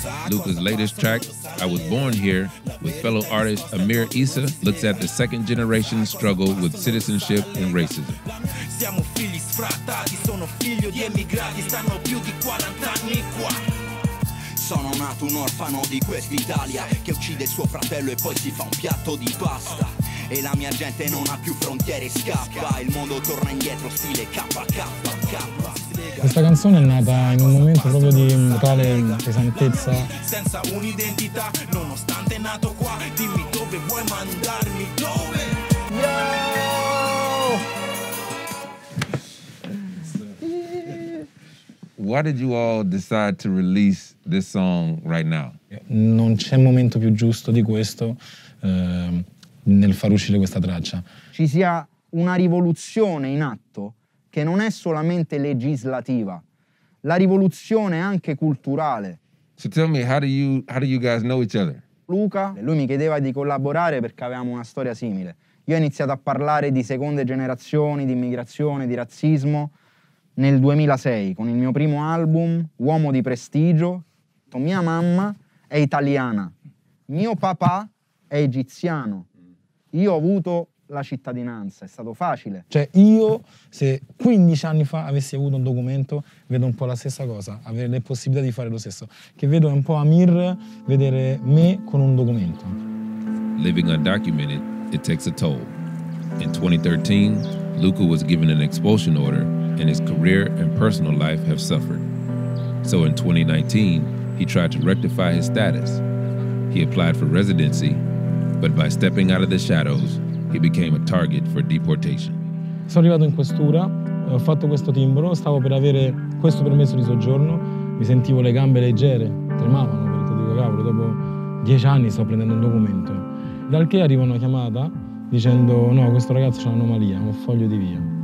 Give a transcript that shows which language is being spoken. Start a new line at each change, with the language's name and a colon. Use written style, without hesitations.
English: Luca's latest track, I Was Born Here, with fellow artist Amir Issa, looks at the second generation struggle with citizenship and racism.
Italian: Siamo figli sfrattati, sono figlio di emigrati, stanno più di 40 anni qua. Sono nato un orfano di quest'Italia che uccide suo fratello e poi si fa un piatto di pasta. E la mia gente non ha più frontiere, scappa, il mondo torna indietro stile KKK. Questa canzone è nata in un momento proprio di totale pesantezza. Senza un'identità, nonostante nato qua, dimmi dove vuoi mandarmi, dove? Yo! Yeah!
English: Why did you all decide to release this song right now?
Italian: Non c'è momento più giusto di questo nel far uscire questa traccia. Ci sia una rivoluzione in atto che non è solamente legislativa. La rivoluzione è anche culturale.
English: So tell me, how do you guys know each other?
Italian: Luca, lui mi chiedeva di collaborare perché avevamo una storia simile. Io ho iniziato a parlare di seconde generazioni, di immigrazione, di razzismo nel 2006 con il mio primo album, Uomo di Prestigio. Mia mamma è italiana, mio papà è egiziano. Io ho avuto la cittadinanza, è stato facile. Cioè io, se 15 anni fa avessi avuto un documento, vedo un po' la stessa cosa, avere le possibilità di fare lo stesso. Che vedo è un po' Amir vedere me con un documento.
English: Living undocumented, it takes a toll. In 2013, Luca was given an expulsion order and his career and personal life have suffered. So in 2019, he tried to rectify his status. He applied for residency, but by stepping out of the shadows, he became a target for deportation.
Italian: Sono arrivato in questura, ho fatto questo timbro, stavo per avere questo permesso di soggiorno, mi sentivo le gambe leggere, tremavano, perché dico cavolo, dopo 10 anni sto prendendo un documento. Dal che arriva una chiamata dicendo no, questo ragazzo c'è un'anomalia, un foglio di via.